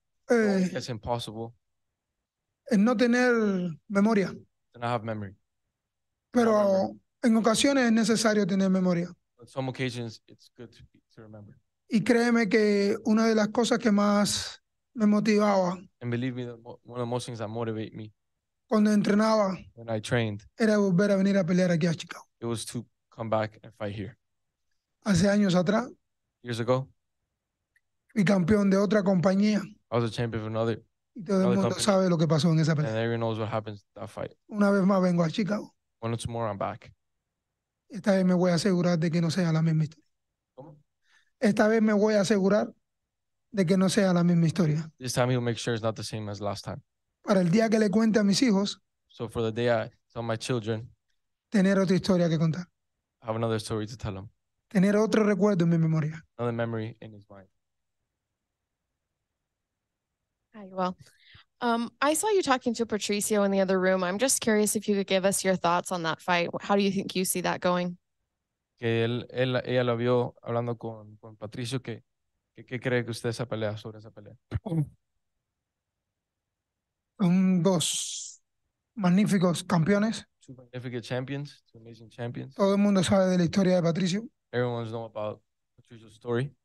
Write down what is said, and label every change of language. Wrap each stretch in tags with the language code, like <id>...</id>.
<en>It's impossible.</en> <es>En no tener memoria.</es> <en>To not have memory.</en> <es>Pero en ocasiones es necesario tener memoria.</es> <en>On some occasions it's good to remember.</en> <es>Y créeme que una de las cosas que más me motivaba.</es> <en>And believe me, one of the most things that motivate me.</en> <es>Cuando entrenaba.</es> <en>When I trained.</en> <es>Era volver a venir a pelear aquí a Chicago.</es> <en>It was to come back and fight here.</en> <es>Hace años atrás.</es> <en>Years ago.</en> <es>Fui campeón de otra compañía.</es> <en>I was a champion of another.</en> <es>Y todo el mundo sabe lo que pasó en esa pelea.</es> <en>And everyone knows what happens in that fight.</en> <es>Una vez más vengo a Chicago.</es> <en>One or two more, I'm back.</en> <es>Esta vez me voy a asegurar de que no sea la misma historia. ¿Cómo? Esta vez me voy a asegurar de que no sea la misma historia.</es> <en>This time he'll make sure it's not the same as last time.</en> <es>Para el día que le cuente a mis hijos.</es> <en>So for the day I tell my children.</en> <es>Tener otra historia que contar.</es> <en>Have another story to tell them.</en> <es>Tener otro recuerdo en mi memoria.</es> <en>Another memory in his mind. Hi, Yoel. I saw you talking to Patricio in the other room. I'm just curious if you could give us your thoughts on that fight. How do you think you see that going?</en> <es>Que ella lo vio hablando con Patricio. ¿Qué cree que usted esa pelea sobre esa pelea? Dos magníficos campeones.</es> <en>Two magnificent champions. Two amazing champions.</en> <es>Todo el mundo sabe de la historia de Patricio.</es> <en>Everyone knows about Patricio's story.</en>